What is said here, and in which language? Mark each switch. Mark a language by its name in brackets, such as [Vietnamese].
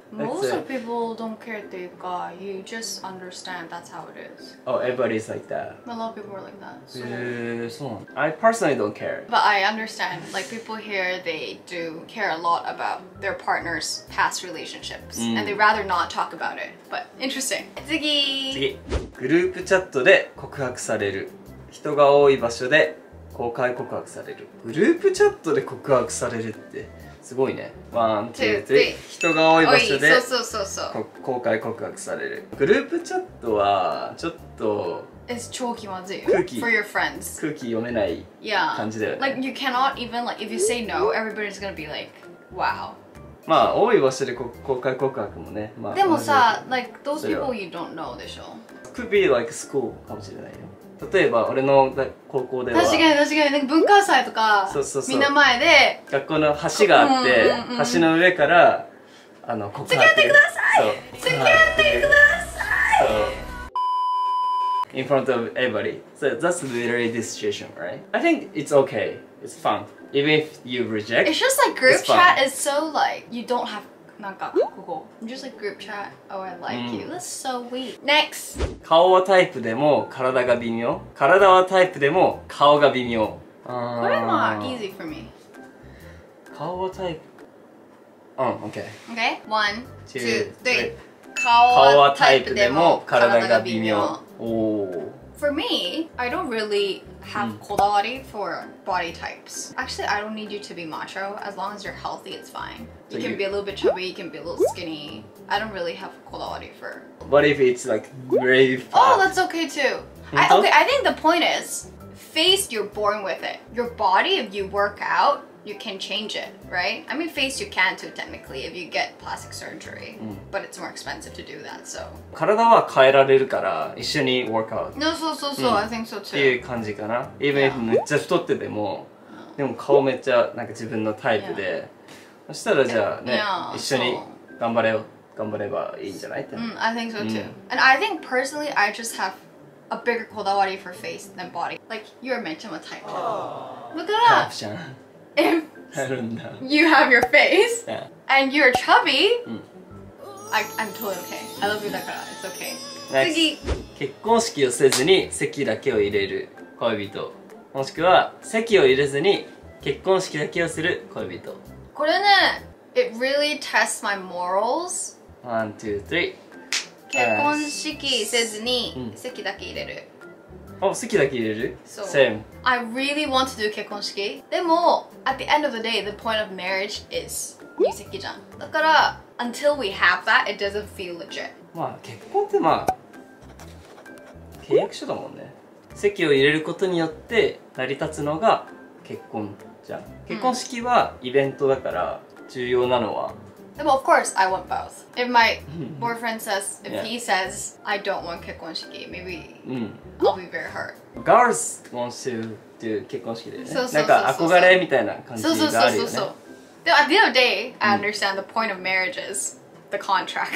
[English] Most of people don't care っていうか you just understand that's how it is. Oh, everybody's like that. A lot of people are like that. So. [Japanese] そうなの? [English] I personally don't care. But I understand. Like people here, they do care a lot about their partner's past relationships. Mm. And they'd rather not talk about it. But interesting. [Japanese] 次! 次! グループチャットで告白される。人が多い場所で公開告白される。グループチャットで告白されるって。すごいね。ワン、ツー、ツー。人が多い場所で公開告白される。グループチャットはちょっと [English] It's [Japanese] 超気まずい。空気。 [English] For your friends. [Japanese] 空気読めない感じだよね。 [English] Yeah. Like you cannot even like if you say no, everybody's gonna be like, wow. [Japanese] まあ多い場所で公開告白もね。まあ、 [English] でもさ、like those people you don't know でしょ。 Could be like school [Japanese] かもしれないよ。例えば俺の高校では確かに確かになんか文化祭とかそうそうそうみんな前で学校の橋があって、うんうんうん、橋の上からあの告白付き合ってください付き合ってください [English] in front of everybody so that's literally this situation right I think it's okay it's fun even if you reject it's just like group chat is so like you don't have [Japanese] なんかここ [English] just like group chat oh I like、mm. you that's so weak next [Japanese] 顔はタイプでも体が微妙体はタイプでも顔が微妙これは [English] easy for me [Japanese] 顔はタイプ OK [English] OK one two three [Japanese] 顔はタイプでも体が微妙 [English] For me I don't really have こだわり for body types actually I don't need you to be macho as long as you're healthy it's fineYou can be a little bit chubby, you can be a little skinny. I don't really have quality for... What if it's like really fat? Oh, that's okay too. I think the point is, face you're born with it. Your body, if you work out, you can change it, right? I mean, face you can too technically if you get plastic surgery. But it's more expensive to do that, so... [Japanese] 体は変えられるから一緒に [English] work out. No, so, so, so, I think so too. [Japanese] っていう感じかな。 [English] Even if [Japanese] めっちゃ太ってても、でも顔めっちゃなんか自分のタイプで、そしたらじゃあね、一緒に頑張れよ、頑張ればいいんじゃないって。 [English] うん、I think so too. And I think personally, I just have a bigger こだわり for face than body. Like, you're [Japanese] めっちゃタイプ。だから、タイプじゃん。 [English] If you have your face, and you're chubby, I'm totally okay. I love you だから、it's okay. [Japanese] 次。結婚式をせずに席だけを入れる恋人。もしくは、席を入れずに結婚式だけをする恋人。これね、 [English] it really tests my morals. One, two, three. [Japanese] 結婚式せずに席だけ入れる。あ、席だけ入れる? [English] So, same. I really want to do 結婚式。でも、at the end of the day, the point of marriage is [Japanese] 入籍じゃん。 [English] だから、until we have that, it doesn't feel legit. [Japanese] まあ、結婚ってまあ、契約書だもんね。席を入れることによって成り立つのが結婚。じゃあ結婚式はイベントだから重要なのは、 [English] でも of course I want both. If my boyfriend says, if he says I don't want 結婚式, maybe I'll be very hurt. Girls wants to do 結婚式でね。 [Japanese] なんか憧れみたいな感じがあるよね。そうそうそうそう。 [English] でも at the end of the day, I understand the point of marriage is the contract.